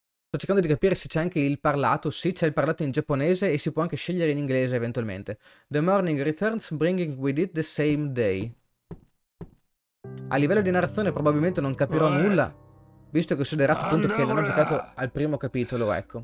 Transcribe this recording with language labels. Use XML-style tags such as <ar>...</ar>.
<it>Sto cercando di capire se c'è anche il parlato. Sì, c'è il parlato in giapponese e si può anche scegliere in inglese eventualmente.</it> <en>The morning returns bringing with it the same day.</en> <it>A livello di narrazione probabilmente non capirò nulla, visto e considerato appunto che non ho giocato al primo capitolo, ecco.</it>